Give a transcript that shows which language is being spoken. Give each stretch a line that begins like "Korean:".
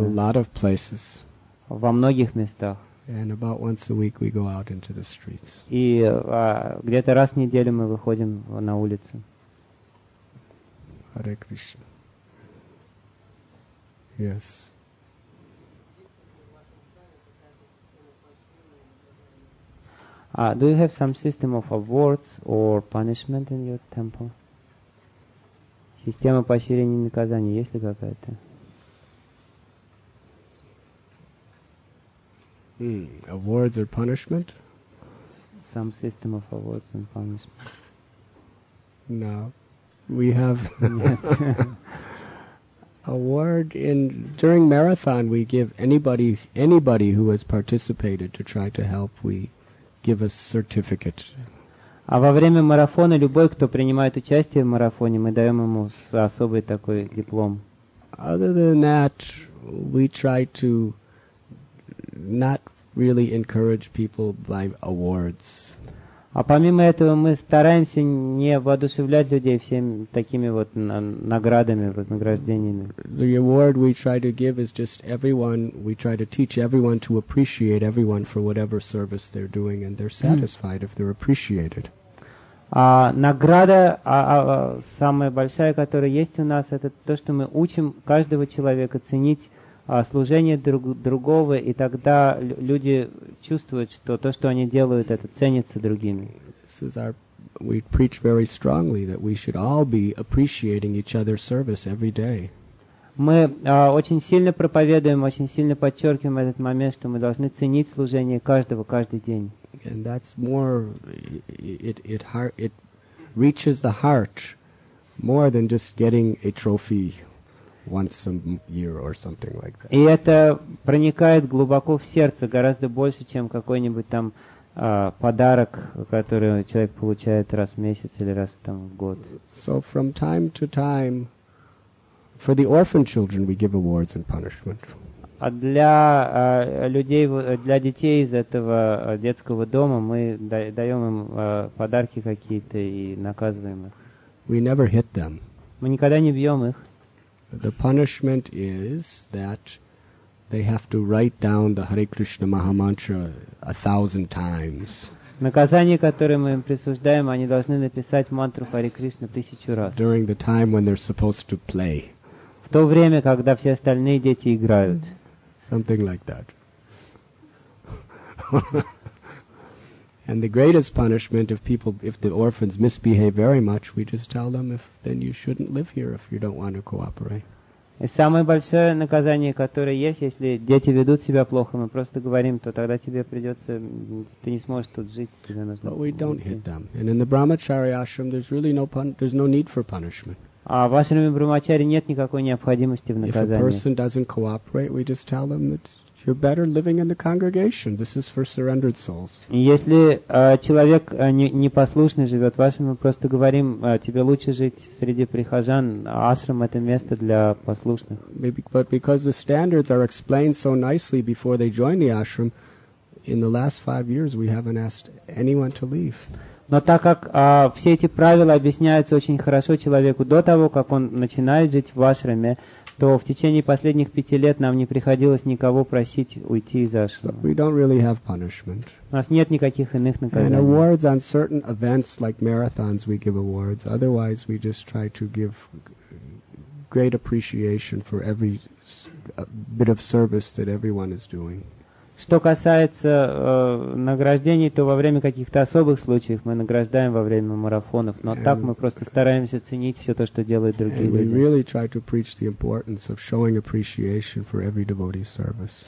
English: In a lot of places.
Russian: Во многих местах.
English: And about once a week we go out into the streets.
Russian: И где-то раз в неделю мы выходим на улицу.
English: Hare Krishna. Yes. Do you have some system of awards or punishment in your temple?
Russian: Система поощрений и наказаний есть ли какая-то?
English: Awards or punishment? Some system of awards and punishment. No. We have award in during marathon we give anybody who has participated to try to help, we give a certificate.
Russian: А во время марафона любой, кто принимает участие в марафоне, мы даем ему особый такой диплом.
English: Other than that, we try to not really encourage people by awards.
Russian: А помимо этого, мы стараемся не воодушевлять людей всеми такими вот наградами, вознаграждениями.
English: The award we try to give is just everyone, we try to teach everyone to appreciate everyone for whatever service they're doing, and they're satisfied if they're appreciated.
Russian: Самая большая, которая есть у нас, это то, что мы учим каждого человека ценить служение другого, и тогда люди чувствуют, что то, что они делают, это ценится другими.
English: We preach very strongly that we should all be appreciating each other's service every day.
Russian: Мы очень сильно проповедуем, очень сильно подчеркиваем этот момент, что мы должны ценить служение каждого каждый день.
English: And that's more, it reaches the heart more than just getting a trophy once a year or something like that.
Russian: И это проникает глубоко в сердце гораздо больше, чем какой-нибудь там подарок, который человек получает раз в месяц или раз там в год.
English: So from time to time, for the orphan children, we give awards and punishment.
Russian: А для людей, для детей из этого детского дома, мы даем им подарки какие-то и наказываем их.
English: We never hit them.
Russian: Мы никогда не бьем их.
English: The punishment is that they have to write down the Hare Krishna Mahamantra 1,000 times.
Russian: Наказание, которое мы им присуждаем, они должны написать мантру Харе Кришна 1,000 раз.
English: During the time when they're supposed to play.
Russian: В то время, когда все остальные дети играют.
English: Something like that. And the greatest punishment if the orphans misbehave very much, we just tell them, then you shouldn't live here if you don't want to cooperate.
Russian: И самое большое наказание, которое есть, если дети ведут себя плохо, мы просто говорим, то тогда тебе придется, ты не сможешь тут жить, тебе нужно.
English: But we don't hit them. And in the Brahmachari ashram, there's no need for punishment.
Russian: А в ашраме Брахмачари нет никакой необходимости в наказании.
English: If a person doesn't cooperate, we just tell them that you're better living in the congregation. This is for surrendered souls.
Russian: Если человек непослушный живет в ашраме, мы просто говорим, тебе лучше жить среди прихожан. Ашрам — это место для послушных.
English: But because the standards are explained so nicely before they join the ashram, in the last 5 years we haven't asked anyone to leave.
Russian: Но так как все эти правила объясняются очень хорошо человеку до того, как он начинает жить в ашраме, то в течение последних 5 лет нам не приходилось никого просить уйти из ашрама. У нас нет никаких иных наказаний.
English: And awards on certain events like marathons we give awards. Otherwise we just try to give great appreciation for every bit of service that everyone is doing.
Russian: Что касается награждений, то во время каких-то особых случаев мы награждаем во время марафонов, но так мы просто стараемся ценить все то, что делают другие люди.
English: We really try to preach the importance of showing appreciation for every devotee's service.